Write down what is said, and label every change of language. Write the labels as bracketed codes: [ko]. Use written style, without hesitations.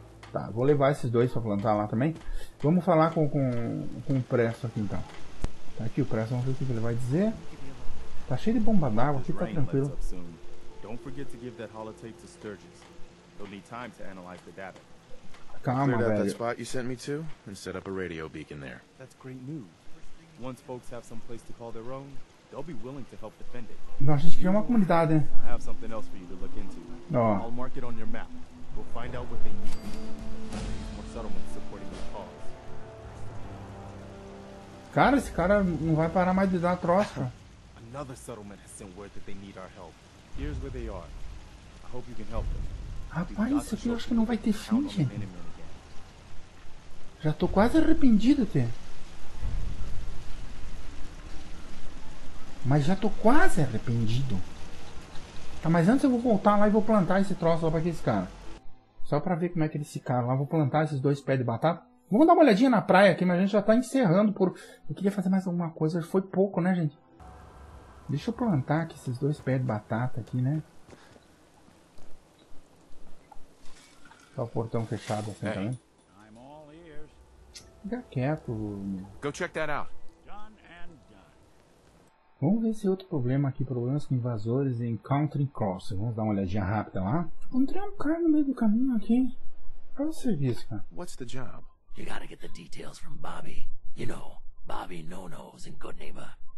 [pt] Tá, vou levar esses dois pra plantar lá também. Vamos falar com o Presto aqui, então. Tá aqui o Presto. Vamos ver o que ele vai dizer. Tá cheio de bomba d'água. Fica tranquilo. Não esqueça de dar aquele holotape para Sturgis. Ele vai ter tempo para analisar o dado. Calma, velho. [en] Clear that spot you sent me to and set up a radio beacon there. That's great news. Once folks have some place to call their own, they'll be willing to help defend it. [pt] Nós temos que criar uma comunidade. [en] I have something else for you to look into. I'll mark it on your map. We'll find out what they need. More settlements supporting the cause. [pt] Cara, esse cara não vai parar mais de dar troça. [en] Another settlement has sent word that they need our help. Here's where they are. I hope you can help them. [pt] Rapaz, isso aqui eu acho que não vai ter fim, gente. Já tô quase arrependido, até. Mas já tô quase arrependido. Tá, mas antes eu vou voltar lá e vou plantar esse troço lá pra aqueles caras. Só pra ver como é que eles ficaram lá. Vou plantar esses dois pés de batata. Vamos dar uma olhadinha na praia aqui, mas a gente já tá encerrando por... Eu queria fazer mais alguma coisa, foi pouco, né, gente? Deixa eu plantar aqui esses dois pés de batata aqui, né? Tá o portão fechado assim também. [en] I'm all ears. [pt] Fica quieto. [en] Go check that out. Done and done. [pt] Vamos ver se outro problema aqui. Problemas com invasores em Country Cross. Vamos dar uma olhadinha rápida lá. Encontrei um cara no meio do caminho aqui. Qual é o serviço, cara? [en] What's the job? You gotta get the details from Bobby. You know, Bobby No-Nos and Good Neighbor.